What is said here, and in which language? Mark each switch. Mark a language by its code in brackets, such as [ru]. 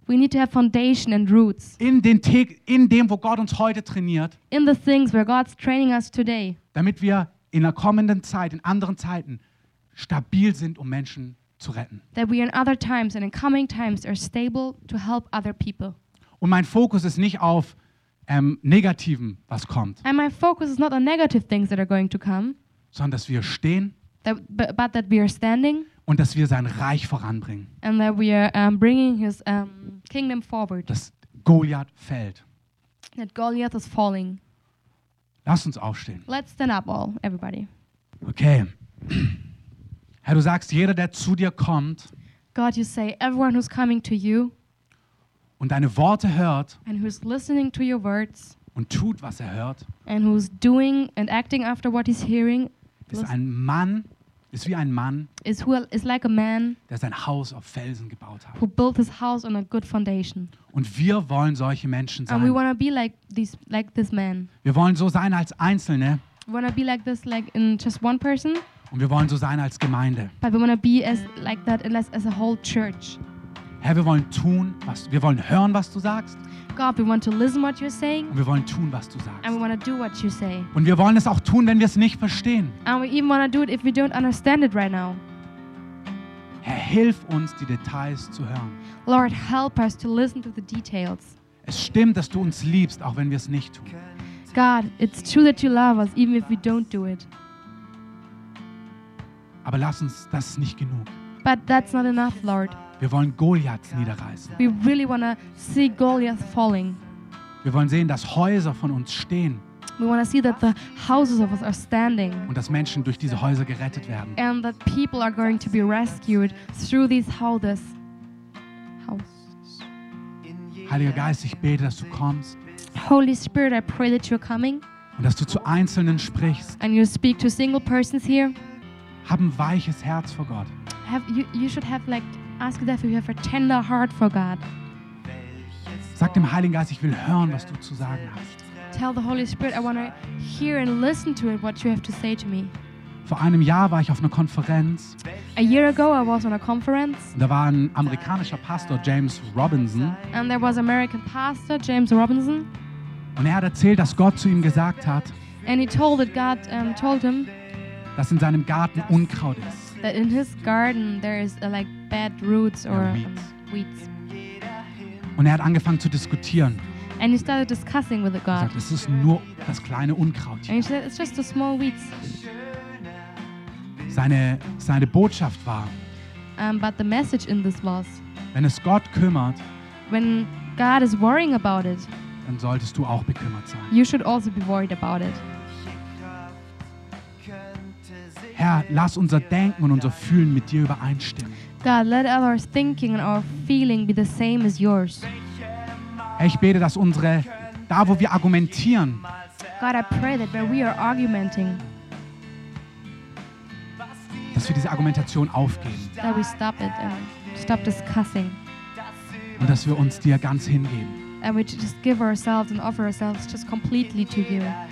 [en] We need to have foundation and roots. [de] In dem, wo Gott uns heute trainiert. [en] In the things where God's training us today. [de] Damit wir in der kommenden Zeit, in anderen Zeiten, stabil sind, um Menschen zu retten. [en] That we in other times and in coming times are stable to help other people. [de] Und mein Fokus ist nicht auf Negativen, was kommt. [en] And my focus is not on negative things that are going to come. [de] Sondern, dass wir stehen. [en] But that we are standing. [de] Und dass wir sein Reich voranbringen. [en] And that we are bringing his kingdom forward. [de] Dass Goliath fällt. [en] That Goliath is falling. [de] Lass uns aufstehen. [en] Let's stand up all, everybody. Okay. [de] Herr, du sagst, jeder, der zu dir kommt, [en] God, you say, everyone who's coming to you, [de] und deine Worte hört, [en] and who's listening to your words, [de] und tut, was er hört, [en] and who's doing and acting after what he's hearing, [de] ist ein Mann, Ist wie ein Mann, [en] is like a man, [de] der sein Haus auf Felsen gebaut hat. [en] Who built his house on a good foundation. [de] Und wir wollen solche Menschen sein. [en] And we wanna be like these, like this man. [de] Wir wollen so sein als Einzelne. [en] We wanna be like this, like in just one person. [de] Und wir wollen so sein als Gemeinde. [en] But we wanna be as like that as a whole church. [de] Herr, wir wollen tun, was wir wollen hören, was du sagst. [en] God, we want to listen what you're saying. [de] Und wir wollen tun, was du sagst. [en] And we want to do what you say. [de] Und wir wollen es auch tun, wenn wir es nicht verstehen. [en] And we even want to do it if we don't understand it right now. [de] Herr, hilf uns, die Details zu hören. [en] Lord, help us to listen to the details. [de] Es stimmt, dass du uns liebst, auch wenn wir es nicht tun. [en] God, it's true that you love us, even if we don't do it. [de] Aber lass uns, das ist nicht genug. [en] But that's not enough, Lord. [de] Wir wollen Goliaths niederreißen. [en] We really want to see Goliath falling. [de] Wir wollen sehen, dass Häuser von uns stehen. [en] We want to see that the houses of us are standing. [de] Und dass Menschen durch diese Häuser gerettet werden. [en] And that people are going to be rescued through these houses. [de] Heiliger Geist, ich bete, dass du kommst. [en] Holy Spirit, I pray that you're coming. [de] Und dass du zu Einzelnen sprichst. [en] And you speak to single persons here. [de] Hab ein weiches Herz vor Gott. [en] You should have like ask that if you have a tender heart for God. [de] Sag dem Heiligen Geist, ich will hören, was du zu sagen hast. [en] Tell the Holy Spirit, I want to hear and listen to it, what you have to say to me. [de] Vor einem Jahr war ich auf einer Konferenz. [en] A year ago I was on a conference. [de] Da war ein amerikanischer Pastor, James Robinson. [en] And there was American pastor, James Robinson. [de] Und hat erzählt, dass Gott zu ihm gesagt hat, [en] and he told that God told him, [de] dass in seinem Garten Unkraut ist. [en] That in his garden there is like bad roots or weeds. [de] Und hat angefangen zu diskutieren. [en] And he started discussing with God. [de] Er sagt, es ist nur das kleine Unkraut. [en] And he said, it's just the small weeds. [de] Seine Botschaft war, [en] but the message in this was, [de] wenn es Gott kümmert, [en] when God is worrying about it, [de] dann solltest du auch bekümmert sein. [en] You should also be worried about it. [de] Herr, lass unser Denken und unser Fühlen mit dir übereinstimmen. [en] God, let our thinking and our feeling be the same as yours. [de] Herr, ich bete, dass unsere, da wo wir argumentieren, [en] God, I pray that where we are argumenting, [de] dass wir diese Argumentation aufgeben. [en] That we stop it and stop discussing. [de] Und dass wir uns dir ganz hingeben. [en] And we just give ourselves and offer ourselves just completely to you.